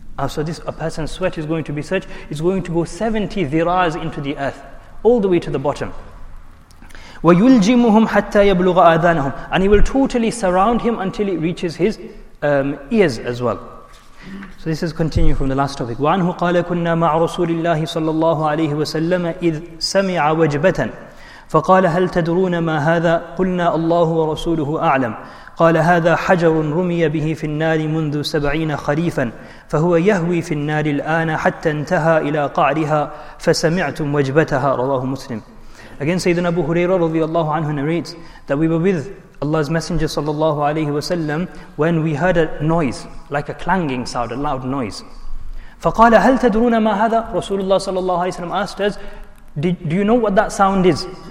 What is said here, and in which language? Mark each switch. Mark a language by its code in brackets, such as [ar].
[en] So this a person's sweat is going to be such, it's going to go 70 ذراعs into the earth, all the way to the bottom. [ar] وَيُلْجِمُهُمْ حَتَّى يَبْلُغَ آذَانَهُمْ, [en] and he will totally surround him until it reaches his ears as well. So this is continuing from the last topic. [ar] وَعَنْهُ قَالَ كُنَّا مَعْ رَسُولِ اللَّهِ صَلَّى اللَّهُ عَلَيْهِ وَسَلَّمَ إِذْ سَمِعَ وَجْبَةً فَقَالَ هَلْ تَدْرُونَ مَا هَذَا قُلْنَا اللَّهُ وَرَسُولُهُ أَعْلَمْ قال هذا حجر رمي به في النار منذ 70 خريفا فهو يهوي في النار الآن حتى انتهى إلى قعرها فسمعتم وجبتها. رواه مسلم. [en] Again, Sayyidina Abu Huraira رضي الله عنه narrates that we were with Allah's Messenger صلى الله عليه وسلم when we heard a noise, like a clanging sound, a loud noise. [ar] فقال هل تدرون ما هذا؟ [en] Rasulullah صلى الله عليه وسلم asked us, do you know what that sound is?